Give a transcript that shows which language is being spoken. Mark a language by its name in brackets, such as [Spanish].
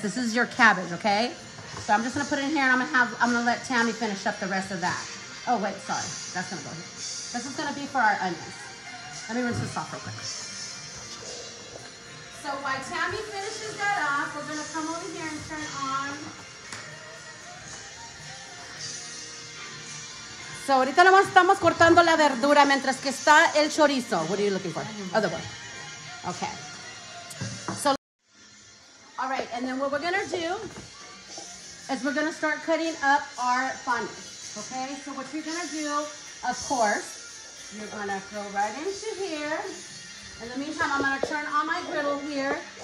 [English] This is your cabbage, okay? So I'm just going to put it in here, and I'm going to let Tammy finish up the rest of that. Oh, wait, sorry. That's going to go here. This is going to be for our onions. Let me rinse this off real quick. So while Tammy finishes that off, we're going to come over here and turn on. [Spanish] So ahorita nomás estamos cortando la verdura mientras que está el chorizo. [English] What are you looking for? Other one. Okay. So, all right, and then what we're going to do is we're going to start cutting up our fondant. Okay, so what you're going to do, of course, you're going to throw right into here. In the meantime, I'm going to turn on my griddle here.